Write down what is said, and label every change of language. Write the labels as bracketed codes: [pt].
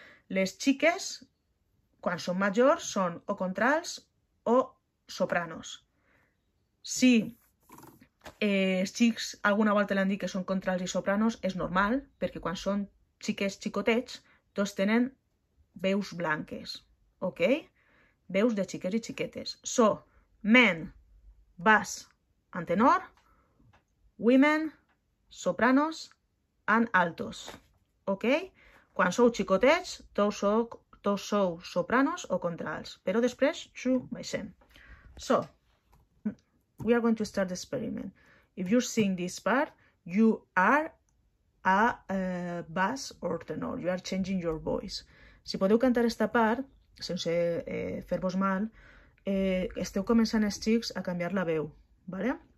[ca] Les xiques, quan són majors, són o contralts o sopranos. Si els xics alguna volta li han dit que són contralts i sopranos, és normal, perquè quan són xiques xicotets, tots tenen veus blanques, ok? Veus de xiques i xiquetes. [en] So, men, bass and tenor, women, sopranos and altos. Ok? [ca] Quan sou xicotets, tots sou sopranos o contralts. Però després, baixem. [en] So, we are going to start the experiment. If you sing this part, you are a bass or tenor. You are changing your voice. [ca] Si podeu cantar esta part, sense fer-vos mal, esteu començant els xics a canviar la veu, vale?